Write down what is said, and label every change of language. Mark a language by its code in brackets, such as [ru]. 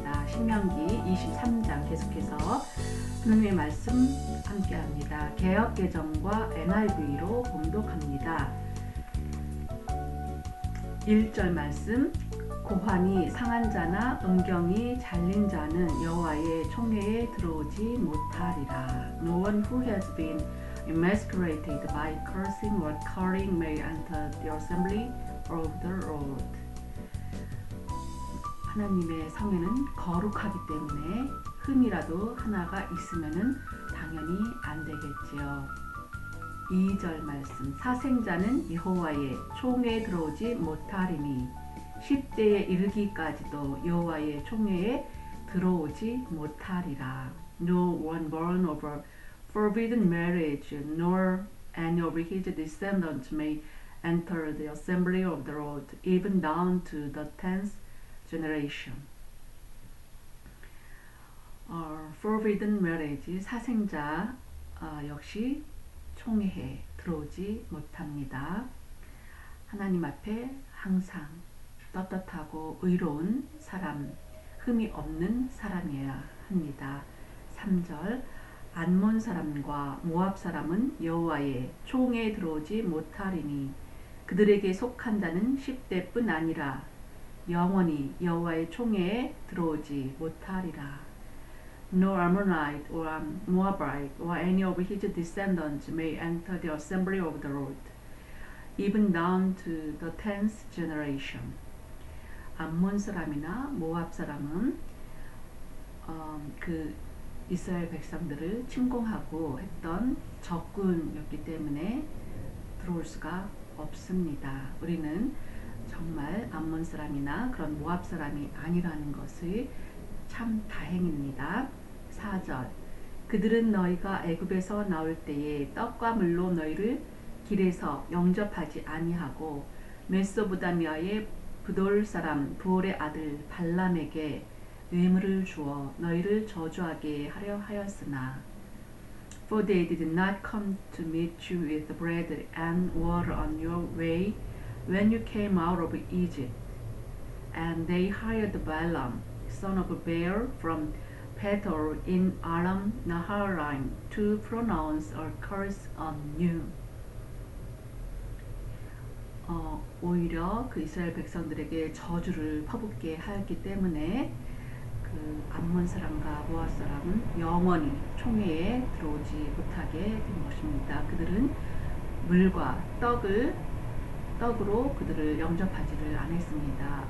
[ko] 신명기 23장 계속해서 하나님의 말씀 함께합니다. 개역개정과 NIV로 봉독합니다. 1절 말씀, 고환이 상한 자나 음경이 잘린 자는 여호와의 총회에 들어오지 못하리라. [en] No one who has been emasculated by cursing or calling may enter the assembly of the Lord. [ko] 하나님의 성에는 거룩하기 때문에 흠이라도 하나가 있으면은 당연히 안 되겠지요. 2절 말씀, 사생자는 여호와의 총회에 들어오지 못하리니 10대의 일기까지도 여호와의 총회에 들어오지 못하리라. [en] No one born of a forbidden marriage nor any of his descendants may enter the assembly of the Lord even down to the 10th generation. Forbidden marriage, [ko] 사생자 역시 총회에 들어오지 못합니다. 하나님 앞에 항상 떳떳하고 의로운 사람, 흠이 없는 사람이어야 합니다. 3절, 암몬 사람과 모압 사람은 여호와의 총회에 들어오지 못하리니 그들에게 속한 자는 10대뿐 아니라 영원히 여호와의 총회에 들어오지 못하리라. [en] No Ammonite or Moabite or any of his descendants may enter the assembly of the Lord, even down to the 10th generation. [ko] 암몬 사람이나 모압 사람은 그 이스라엘 백성들을 침공하고 했던 적군이었기 때문에 들어올 수가 없습니다. 우리는 정말 암몬 사람이나 그런 모압 사람이 아니라는 것을 참 다행입니다. 4절, 그들은 너희가 애굽에서 나올 때에 떡과 물로 너희를 길에서 영접하지 아니하고 메소보다미아의 부돌 사람 부올의 아들 발람에게 뇌물을 주어 너희를 저주하게 하려 하였으나 [en] For they did not come to meet you with bread and water on your way when you came out of Egypt. And they hired Balaam, son of Beor, from Pethor in Aram Naharaim to pronounce a curse on you. [ko] 오히려 그 이스라엘 백성들에게 저주를 퍼붓게 하였기 때문에 그 암몬 사람과 모압 사람은 영원히 총회에 들어오지 못하게 된 것입니다. 그들은 물과 떡으로 그들을 영접하지를 않았습니다.